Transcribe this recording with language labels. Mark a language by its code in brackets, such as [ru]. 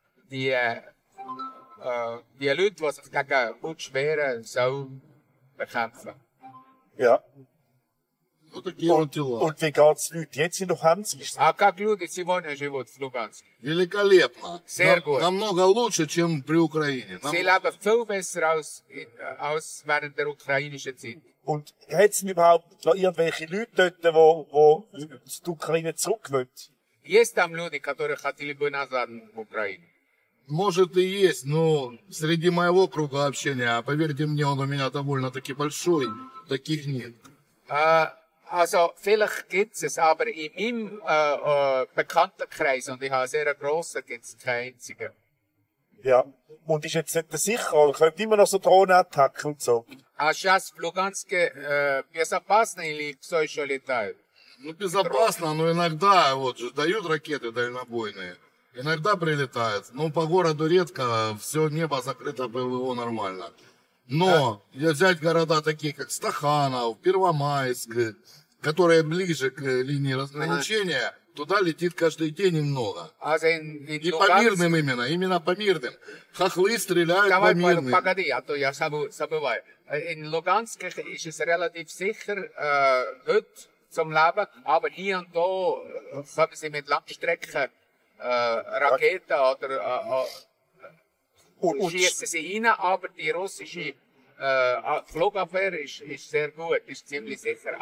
[de] Die Leute, die sich gegen Putsch wehren, sollen bekämpfen. Ja. Oder Georgiou. Und wie geht es den Leuten jetzt in Luhansk? [ru] А как люди сегодня живут в Луганске? Великолепно. [de] Sehr gut. [ru] Намного лучше, чем при Украине. [de] Sie leben viel besser als während der ukrainischen Zeit. Und hat es überhaupt noch irgendwelche Leute dort, wo die Ukraine zurückwollen? [ru] Есть там люди, которые хотели бы назад в Украину? Может и есть, но среди моего круга общения, поверьте мне, он у меня довольно-таки большой, таких нет. [de] Also, vielleicht gibt es, aber in meinem Bekanntenkreis, und ich habe sehr grossen, gibt es keinen einzigen. Ja, und ist jetzt nicht sicher, könnte immer noch so Drohnenattacken und so. [ru] А сейчас в Луганске безопасно или все еще летают? Ну, безопасно, но иногда вот же дают ракеты дальнобойные. Иногда прилетают. Ну, по городу редко, все небо закрыто, ПВО нормально. Но взять города такие, как Стаханов, Первомайск, которые ближе к линии разграничения, туда летит каждый день немного. И по мирным именно по мирным. Хохлы стреляют по мирным. Давай, погоди, а то я забываю. [de] In Luganske ist es relativ sicher, gut zum Leben, aber hier und da kommen sie mit Langstrecken Raketen oder schiessen sie rein, aber die russische Flugabwehr ist sehr gut, ist ziemlich sicher.